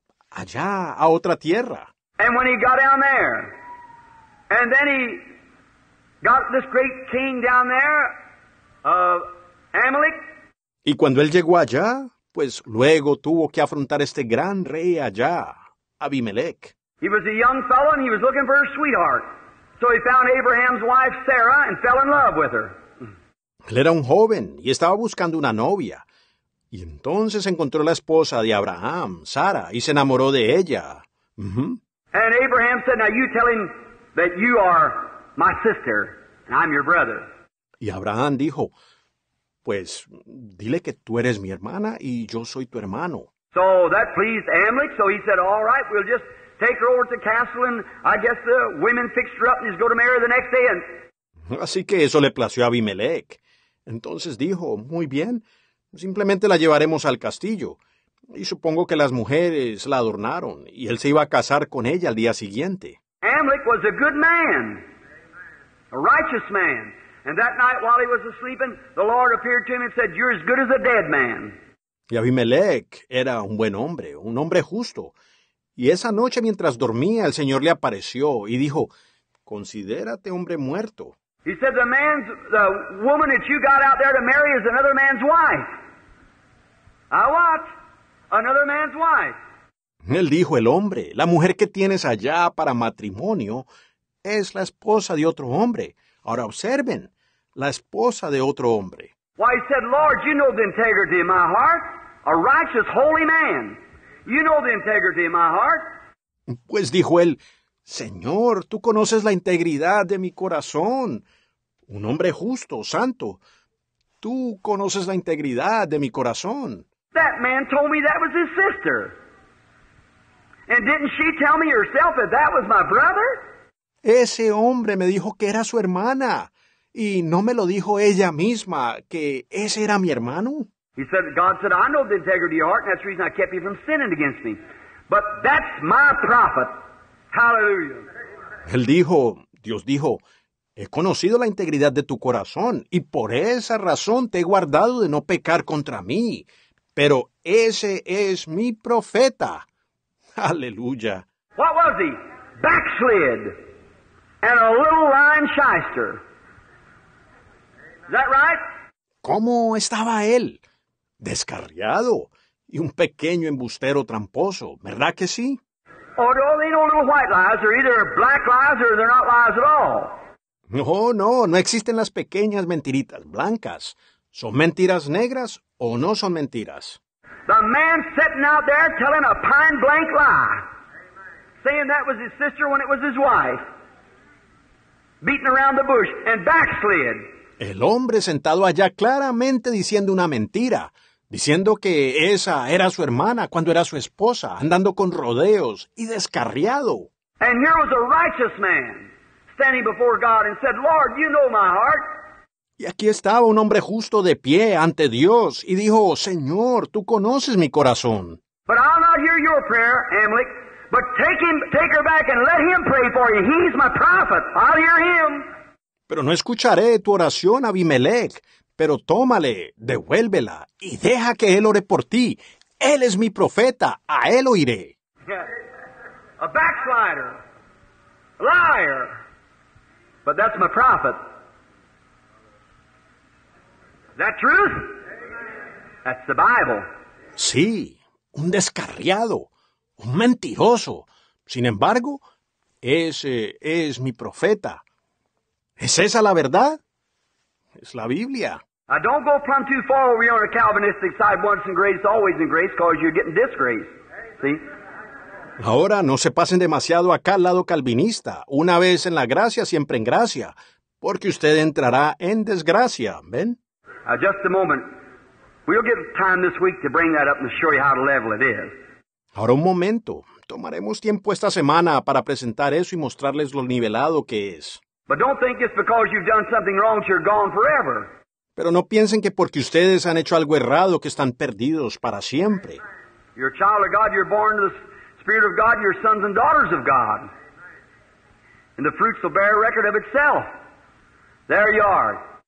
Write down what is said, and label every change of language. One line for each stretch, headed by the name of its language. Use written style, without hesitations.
Spanish: Allá, a otra tierra.
English: And when he got down there, and then he got this great king down there of Amalek.
Spanish: Y cuando él llegó allá, pues luego tuvo que afrontar este gran rey allá, Abimelech.
English: He was a young fellow and he was looking for a sweetheart. So he found Abraham's wife Sarah and fell in love with her.
Spanish: Él era un joven y estaba buscando una novia. Y entonces encontró la esposa de Abraham, Sara, y se enamoró de ella.
English: And Abraham said, "Now you tell him that you are my sister and I'm your brother."
Spanish: Y Abraham dijo, "Pues dile que tú eres mi hermana y yo soy tu hermano."
English: So that pleased Amalek, so he said, "All right, we'll just take her over to the castle and I guess the women fixed her up and he's going to marry her the next day."
Spanish: Así que eso le plació a Abimelech. Entonces dijo, "Muy bien, simplemente la llevaremos al castillo." Y supongo que las mujeres la adornaron y él se iba a casar con ella al día siguiente.
English: Amalek was a good man, a righteous man. And that night while he was sleeping, the Lord appeared to him and said, "You're as good as a dead man."
Spanish: Y Abimelech era un hombre justo. Y esa noche mientras dormía, el Señor le apareció y dijo, "Considérate hombre muerto."
English: He said, the woman that you got out there to marry is another man's wife. I what? Another man's wife.
Spanish: Él dijo, el hombre, la mujer que tienes allá para matrimonio es la esposa de otro hombre. Ahora observen, la esposa de otro hombre.
English: Why, he said, "Lord, you know the integrity of my heart, a righteous, holy man. You know the integrity of my heart."
Spanish: Pues dijo él, "Señor, tú conoces la integridad de mi corazón, un hombre justo, santo. Tú conoces la integridad de mi corazón."
English: That man told me that was his sister. And didn't she tell me herself that that was my brother?
Spanish: Ese hombre me dijo que era su hermana. ¿Y no me lo dijo ella misma que ese era mi hermano?
English: He said, God said, "I know the integrity of your heart, and that's the reason I kept you from sinning against me. But that's my prophet." Hallelujah.
Spanish: Él dijo, Dios dijo, "He conocido la integridad de tu corazón, y por esa razón te he guardado de no pecar contra mí. Pero ese es mi profeta." Aleluya.
English: What was he? Backslid and a little lying shyster. Is that right?
Spanish: ¿Cómo estaba él? Descarriado y un pequeño embustero tramposo, ¿verdad que sí?
English: Oh, no, they know little white lies. They're either black lies or they're not lies at all.
Spanish: No existen las pequeñas mentiritas blancas. ¿Son mentiras negras o no son mentiras?
English: The man sitting out there telling a pine blank lie. Amen. Saying that was his sister when it was his wife. Beating around the bush and backslid.
Spanish: El hombre sentado allá claramente diciendo una mentira, diciendo que esa era su hermana cuando era su esposa, andando con rodeos y descarriado.
English: And here was a righteous man standing before God and said, "Lord, you know my heart."
Spanish: Y aquí estaba un hombre justo de pie ante Dios y dijo, "Señor, tú conoces mi corazón."
English: But I'll not hear your prayer, Amalek, but take her back and let him pray for you. He's my prophet. I'll hear him.
Spanish: Pero no escucharé tu oración, Abimelech, pero tómale, devuélvela y deja que él ore por ti. Él es mi profeta, a él oiré.
English: A backslider, a liar, but that's my prophet. That truth? That's the Bible.
Spanish: Sí, un descarriado, un mentiroso. Sin embargo, ese es mi profeta. ¿Es esa la verdad? Es la Biblia.
English: I don't go plumb too far over here on the Calvinistic side, once in grace, always in grace, because you're getting disgrace. See?
Spanish: Ahora, no se pasen demasiado acá al lado calvinista. Una vez en la gracia, siempre en gracia, porque usted entrará en desgracia. ¿Ven?
English: Just a moment. We'll get time this week to bring that up and show you how level it is.
Spanish: Ahora un momento. Tomaremos tiempo esta semana para presentar eso y mostrarles lo nivelado que es.
English: But don't think it's because you've done something wrong you're gone forever.
Spanish: Pero no piensen que porque ustedes han hecho algo errado que están perdidos para siempre.
English: You're a child of God, you're born to the Spirit of God, you're sons and daughters of God. And the fruits will bear record of itself. There you are.